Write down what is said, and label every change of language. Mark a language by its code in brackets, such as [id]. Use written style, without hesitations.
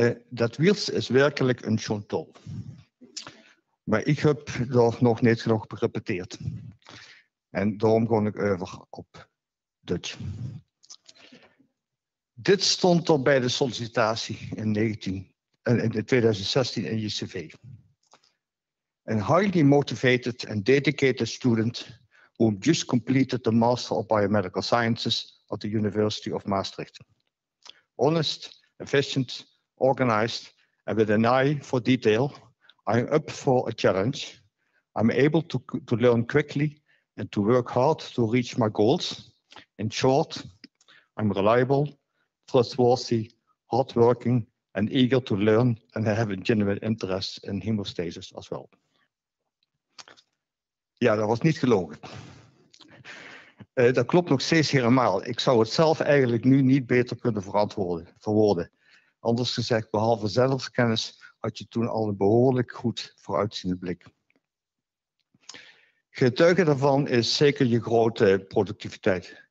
[nl] Dat Wiels is werkelijk een chantal. Maar ik heb dat nog niet genoeg gerepeteerd. En daarom ga ik over op Dutch. Dit stond er bij de sollicitatie in 2016 in je cv. [en] Een highly motivated and dedicated student who just completed the Master of Biomedical Sciences at the University of Maastricht. Honest, efficient, organized and with an eye for detail, I'm up for a challenge. I'm able to learn quickly and to work hard to reach my goals. In short, I'm reliable, trustworthy, hardworking, and eager to learn, and I have a genuine interest in hemostasis as well. [nl] Ja, dat was niet gelogen. Dat klopt nog steeds helemaal. Ik zou het zelf eigenlijk nu niet beter kunnen verwoorden. Anders gezegd, behalve zelfkennis, had je toen al een behoorlijk goed vooruitziende blik. Getuige daarvan is zeker je grote productiviteit.